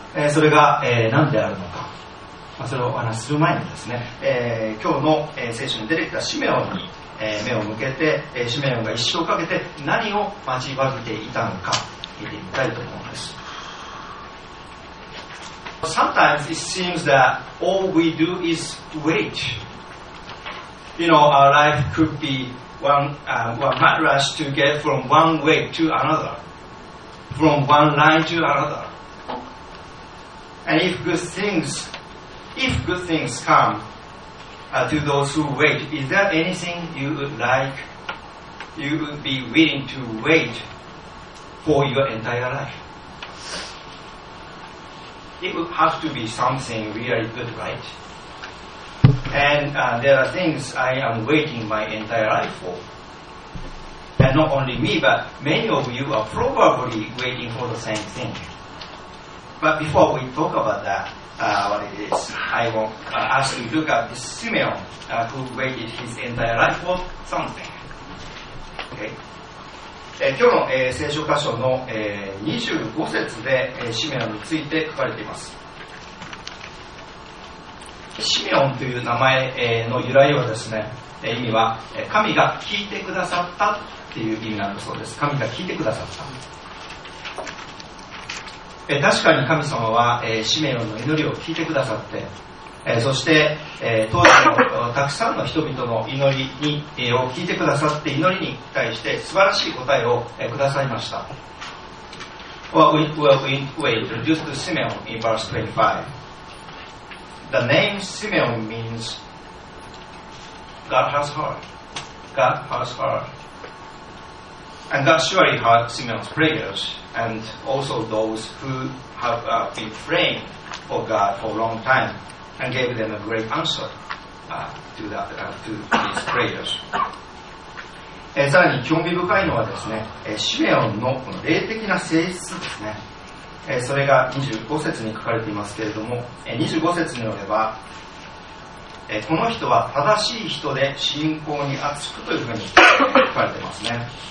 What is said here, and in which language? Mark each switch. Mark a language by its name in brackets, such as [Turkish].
[Japanese] それが、何であるのか、まあ、それをお話しする前にですね、今日の、聖書に出てきたシメオンに、目を向けて、シメオンが一生かけて何を待ちわびていたのか聞いてみたいと思うんです。 [English] Sometimes it seems that all we do is waitYou know, our life could be one mad rush to get from one way to another, from one line to another. And if good things come to those who wait, is there anything you would like, you would be willing to wait for your entire life? It would have to be something really good, right? And there are things I am waiting my entire life for. And not only me, but many of you are probably waiting for the same thing. But before we talk about that, what it is, I will ask you to look at this Simeon, who waited his entire life for something. Okay. [Japanese] 今日の、聖書箇所の、25節で、シメオンについて書かれています。シメオンという名前、の由来はですね、意味は神が聞いてくださったという意味なんだそうです。神が聞いてくださった。確かに神様は、シメオンの祈りを聞いてくださって、そして、当時のたくさんの人々の祈りに、を聞いてくださって、祈りに対して素晴らしい答えを、くださいました。 [English] We introduce to Simeon in verse 25. The name Simeon means God has heard. God has heard. And God surely heard Simeon's prayers and also those who have been praying for God for a long time. And gave them a great answer to these prayers. [Japanese] さらに興味深いのはですね、シメオン の, この霊的な性質ですね、それが25節に書かれていますけれども、25節によれば、この人は正しい人で信仰に厚くというふうに書かれていますね。